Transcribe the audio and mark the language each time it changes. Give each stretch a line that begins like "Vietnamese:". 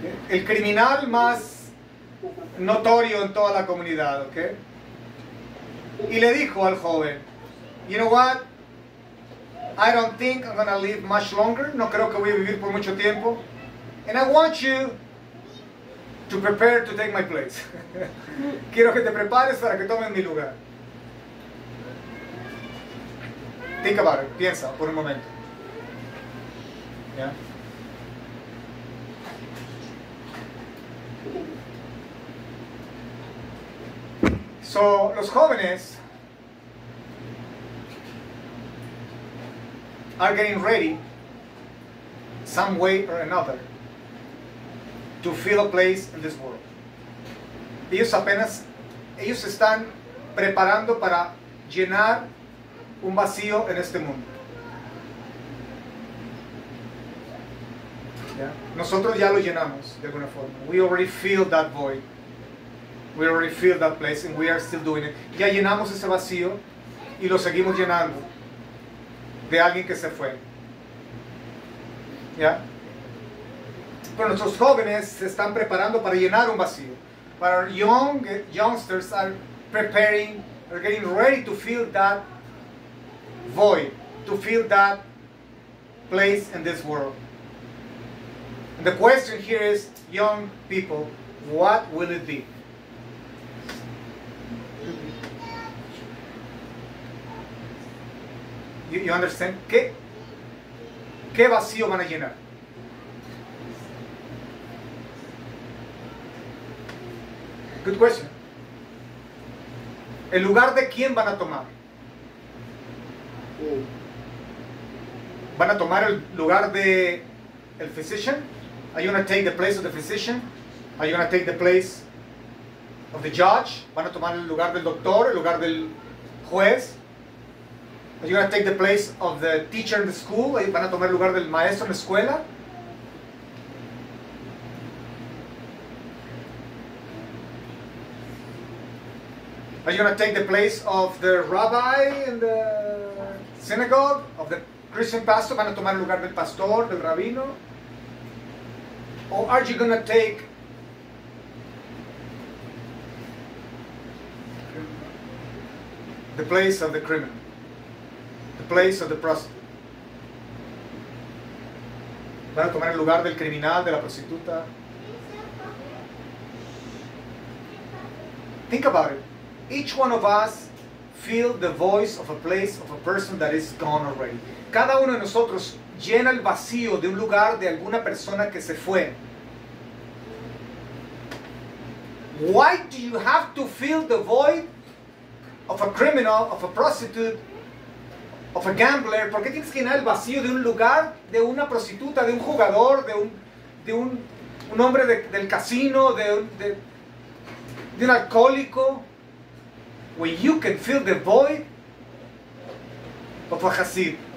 Spanish: El criminal más notorio en toda la comunidad, ¿ok? Y le dijo al joven,
English: you know what? I don't think I'm gonna live much longer.
Spanish: No creo que voy a vivir por mucho tiempo.
English: And I want you to prepare to take my place.
Spanish: Quiero que te prepares para que tomes mi lugar.
English: Think about it.
Spanish: Piensa por un momento.
English: Yeah. So,
Spanish: los jóvenes
English: are getting ready some way or another to fill a place in this world.
Spanish: Ellos están preparando para llenar un vacío en este mundo. Yeah. Nosotros ya lo llenamos de alguna forma.
English: We already fill that void. We already fill that place and we are still doing it.
Spanish: Ya llenamos ese vacío y lo seguimos llenando. De alguien que se fue. ¿Ya? Pero nuestros jóvenes se están preparando para llenar un vacío.
English: But our youngsters are preparing, are getting ready to fill that void, to fill that place in this world. And the question here is, young people, what will it be? You understand?
Spanish: ¿Qué vacío van a llenar?
English: Good question.
Spanish: ¿El lugar de quién van a tomar? ¿Van a tomar el lugar de el physician?
English: Are you going to take the place of the physician? Are you going to take the place of the judge?
Spanish: ¿Van a tomar el lugar del doctor, el lugar del juez?
English: Are you going to take the place of the teacher in the school?
Spanish: ¿Van a tomar el lugar del maestro en la escuela?
English: Are you going to take the place of the rabbi in the synagogue, of the Christian pastor?
Spanish: ¿Van a tomar el lugar del pastor, del rabino?
English: Or are you going to take the place of the criminal, the place of the prostitute?
Spanish: ¿Van a tomar el lugar del criminal, de la prostituta?
English: Think about it. Each one of us feel the voice of a place of a person that is gone already.
Spanish: Cada uno de nosotros llena el vacío de un lugar de alguna persona que se fue.
English: Why do you have to fill the void of a criminal, of a prostitute, of a gambler?
Spanish: ¿Por qué tienes que llenar el vacío de un lugar de una prostituta, de un jugador, de un hombre del casino, de un alcohólico?
English: When you can fill the void of a hasid.